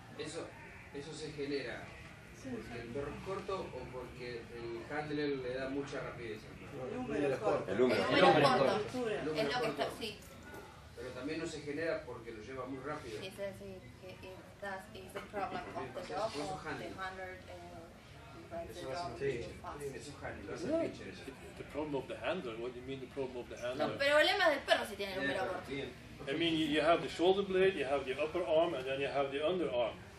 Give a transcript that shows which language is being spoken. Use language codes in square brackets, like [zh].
[es] Eso se genera porque el perro es corto o porque el handler le da mucha rapidez. El húmero es corto. Sí. Pero también no se genera porque lo lleva muy rápido. [en] Sí, that's the problem of the dog. [es] Eso es handler. [en] The problem of the handler, what do you mean the problem of the handler? [es] No, pero el problema del perro si tiene el número corto. [en] I mean, you have the shoulder blade, you have the upper arm, and then you have the underarm.